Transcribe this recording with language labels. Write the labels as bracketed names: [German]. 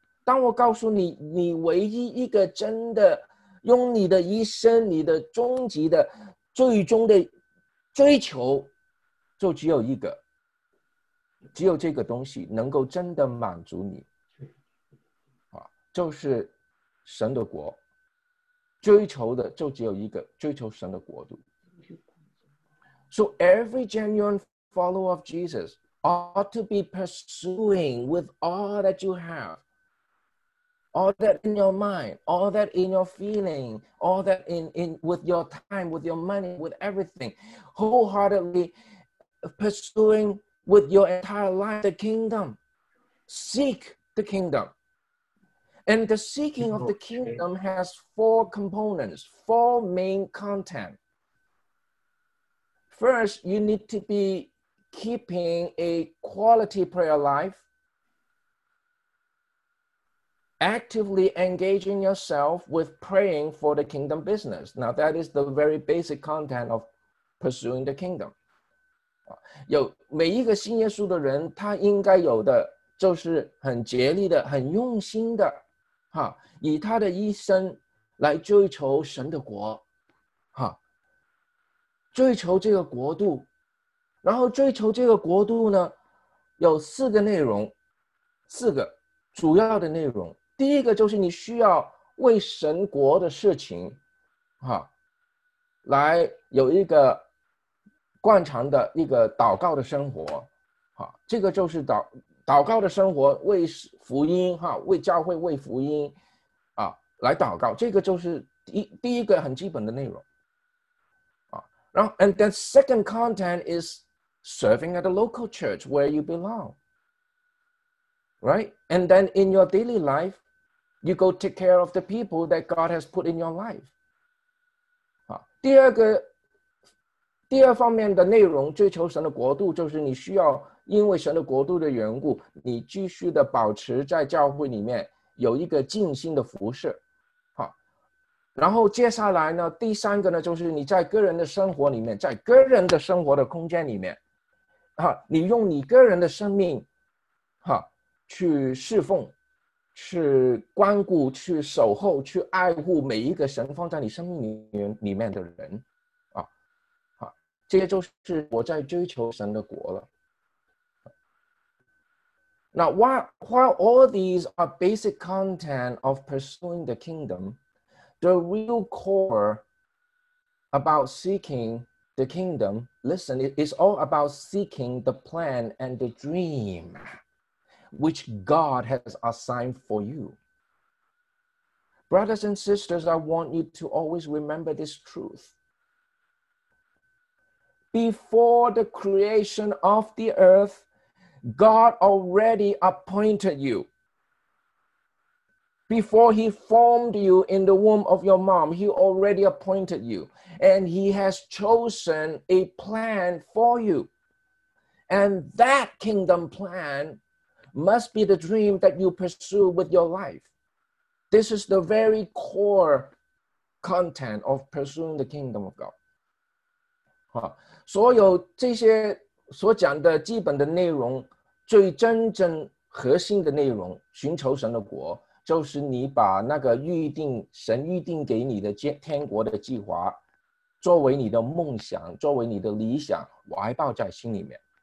[Chinese] 当我告诉你，你唯一一个真的用你的一生，你的终极的、最终的追求，就只有一个，只有这个东西能够真的满足你，啊，就是神的国。追求的就只有一个，追求神的国度。 [English] So every genuine follower of Jesus ought to be pursuing with all that you have, all that in your mind, all that in your feeling, all that in with your time, with your money, with everything, wholeheartedly pursuing with your entire life the kingdom. Seek the kingdom. And the seeking of the kingdom has four components, four main content. First, you need to be keeping a quality prayer life, actively engaging yourself with praying for the kingdom business. Now, that is the very basic content of pursuing the kingdom. [Chinese] 有每一个信耶稣的人，他应该有的就是很竭力的，很用心的哈，以他的一生来追求神的国，哈，追求这个国度，然后追求这个国度呢，有四个内容，四个主要的内容。第一个就是你需要为神国的事情，哈，来有一个惯常的一个祷告的生活，哈，这个就是祷告的生活，为福音，哈，为教会，为福音，啊，来祷告，这个就是第一个很基本的内容，啊，然后 ， [English] and then second content is serving at the local church where you belong, right? And then in your daily life, you go take care of the people that God has put in your life. [Chinese] 啊，第二方面的内容，追求神的国度，就是你需要。因为神的国度的缘故，你继续的保持在教会里面有一个尽心的服事，好。然后接下来呢，第三个呢，就是你在个人的生活里面，在个人的生活的空间里面，你用你个人的生命，去侍奉，去关顾，去守候，去爱护每一个神放在你生命里面的人，这些就是我在追求神的国了。 [English] Now, while all these are basic content of pursuing the kingdom, the real core about seeking the kingdom, listen, it's all about seeking the plan and the dream which God has assigned for you. Brothers and sisters, I want you to always remember this truth. Before the creation of the earth,God already appointed you. Before he formed you in the womb of your mom, he already appointed you. And he has chosen a plan for you. And that kingdom plan must be the dream that you pursue with your life. This is the very core content of pursuing the kingdom of God. [Chinese] 所有这些所讲的基本的内容最真正核心的内容，寻求神的国，就是你把那个预定，神预定给你的天国的计划，作为你的梦想，作为你的理想，怀抱在心里面。